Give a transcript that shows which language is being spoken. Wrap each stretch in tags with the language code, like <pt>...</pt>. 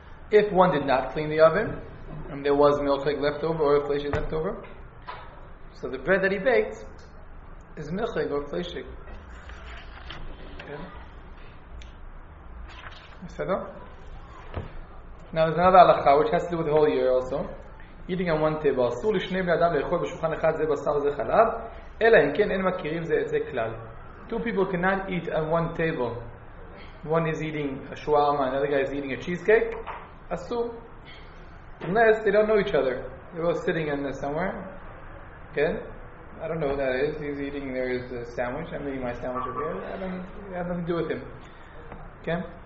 <en>If one did not clean the oven and there was milk left over or a fleshy left over, so the bread that he baked is milchig or fleshig. Okay. Now there's another halacha which has to do with the whole year also. Eating on one table.</en> <he>אסור לשני בני אדם לאכול בשולחן אחד זה בשר זה חלב, אלא אם כן אין מכירים זה את זה כלל.</he> <en>Two people cannot eat on one table. One is eating a shawarma, another guy is eating a cheesecake. אסור. Unless they don't know each other. They're both sitting in there somewhere. Okay? I don't know who that is. He's eating there his sandwich. I'm eating my sandwich over here. I have nothing to do with him. Okay?</en>